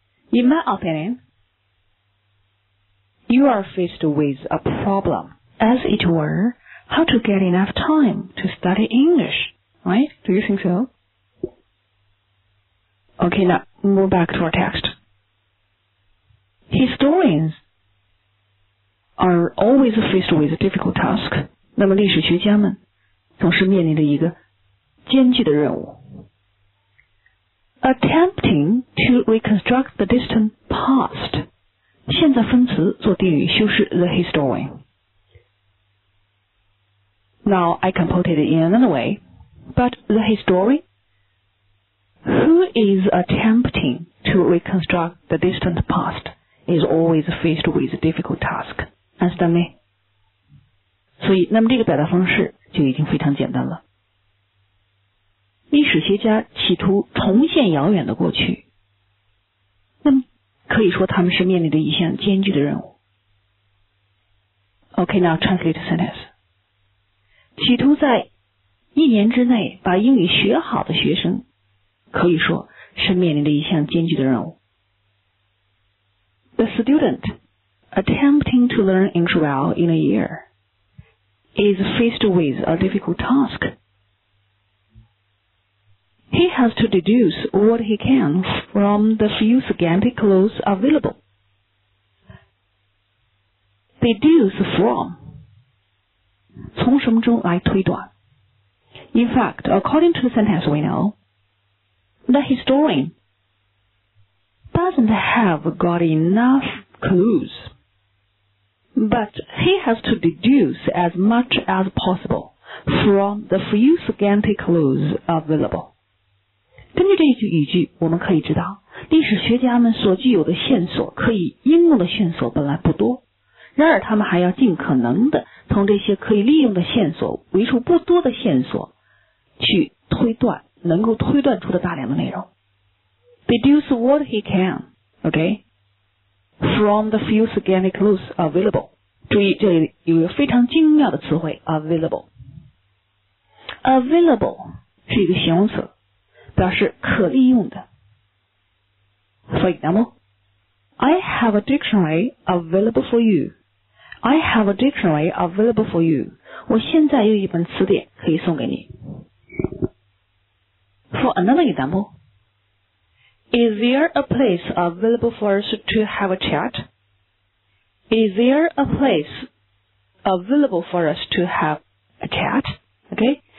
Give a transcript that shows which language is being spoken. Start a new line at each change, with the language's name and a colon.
English: In my opinion, you are faced with a problem, as it were, how to get enough time to study English, right? Do you think so? Okay, now move back to our text. Historians are always faced with a difficult task.
Chinese: 那么历史学家们总是面临着一个艰巨的任务。
English: Attempting to reconstruct the distant past.
Chinese: 现在分词做定语修饰 the historian.
English: Now I can put it in another way. But the historian who is attempting to reconstruct the distant past. Is always faced with a difficult task. Understand me?
Chinese: 所以，那么这个表达方式就已经非常简单了。历史学家企图重现遥远的过去，那么可以说他们是面临着一项艰巨的任务。
English: Okay, now translate sentence.
Chinese: 企图在一年之内把英语学好的学生，可以说是面临着一项艰巨的任务。
English: The student attempting to learn English well in a year is faced with a difficult task. He has to deduce what he can from the few scanty clues available. Deduce from.
Chinese: 从什么中来推断?
English: In fact, according to the sentence we know, the historian,doesn't have got enough clues, but he has to deduce as much as possible from the few scanty clues available.
Chinese: 根据这一句语句，我们可以知道，历史学家们所具有的线索，可以应用的线索本来不多，然而他们还要尽可能的从这些可以利用的线索，为数不多的线索，去推断，能够推断出的大量的内容。
English: Deduce what he can, okay, from the few scanty clues available.
Chinese: 注意这里有一个非常精妙的词汇 available. Available 是一个形容词，表示可利用的。
English: For example, I have a dictionary available for you. I have a dictionary available for you.
Chinese: 我现在有一本词典可以送给你。
English: For another example,Is there a place available for us to have a chat? Is there a place available for us to have a chat? Okay?